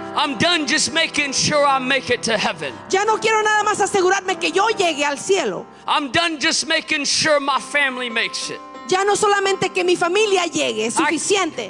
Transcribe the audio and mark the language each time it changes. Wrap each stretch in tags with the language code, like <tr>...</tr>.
<en>I'm done just making sure I make it to heaven.</en> <es>Ya no quiero nada más asegurarme que yo llegue al cielo.</es> <en>I'm done just making sure my family makes it.</en> <es>Ya no solamente que mi familia llegue, es suficiente.</es>